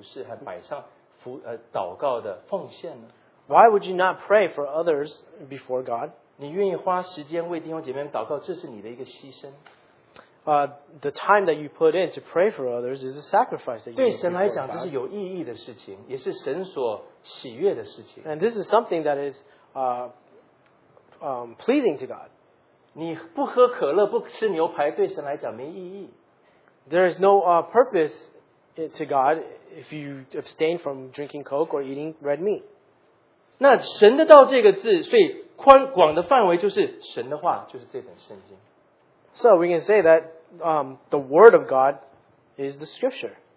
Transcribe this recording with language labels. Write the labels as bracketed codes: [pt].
[zh] 为什么你不愿意为众圣徒或教会里面有需要的弟兄姐妹摆上祷告的服事和摆上祷告的奉献呢? [en] Why would you not pray for others before God? [zh] 你愿意花时间为弟兄姐妹祷告,这是你的一个牺牲。 [en] The time that you put in to pray for others is a sacrifice that you make. [zh] 对神来讲,这是有意义的事情,也是神所喜悦的事情。 [en] And this is something that is pleasing to God. [zh] 你不喝可乐,不吃牛排,对神来讲没意义。 [en] There is no purpose to God if you abstain from drinking Coke or eating red meat. [zh] 那神的道这个字,所以宽广的范围就是神的话,就是这本圣经。 [en] So we can say that the word of God is the scripture.